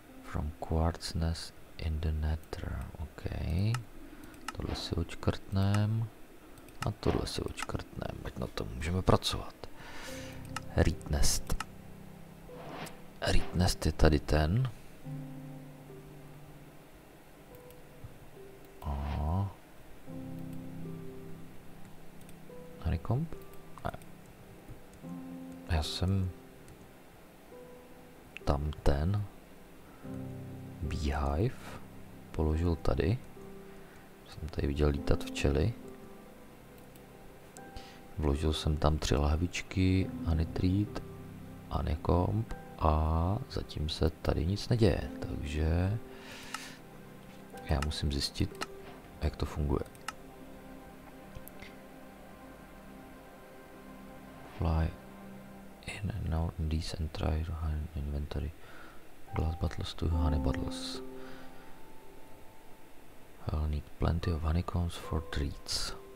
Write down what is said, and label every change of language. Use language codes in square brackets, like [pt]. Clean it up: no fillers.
[en] From quartz nest in the nether. [cs] OK. Tohle si odškrtneme. A tohle si odškrtneme, ať na tom můžeme pracovat. Reed nest. Reed nest je tady ten. A. [en] Honeycomb? [cs] Já jsem tam ten beehive položil tady. Jsem tady viděl lítat včely. Vložil jsem tam 3 lahvičky, anitrít, anikomp a zatím se tady nic neděje, takže já musím zjistit, jak to funguje. [en] Fly in and out in these and try to hide in inventory. Glass bottles to honey bottles. I'll need plenty of honeycombs for treats.